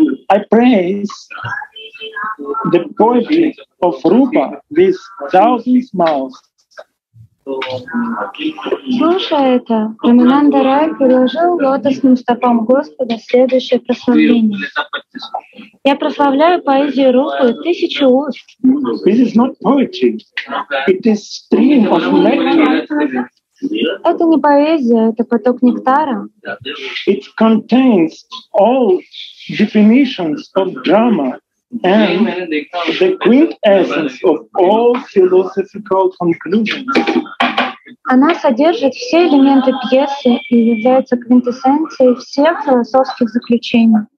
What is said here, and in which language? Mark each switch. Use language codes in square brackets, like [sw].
[en] I praise the poetry of Rupa with thousands mouths. [ru] Слушая это, Рамананда Рай приложил лотосным стопам Господа следующее прославление. Я прославляю поэзию Рупы тысячу уст. [en] This is not poetry. It is stream of nectar. [ru] Это не поэзия, это поток нектара. It contains all definitions of drama and the quintessence of all philosophical conclusions. Она содержит все элементы пьесы и является квинтэссенцией всех философских заключений.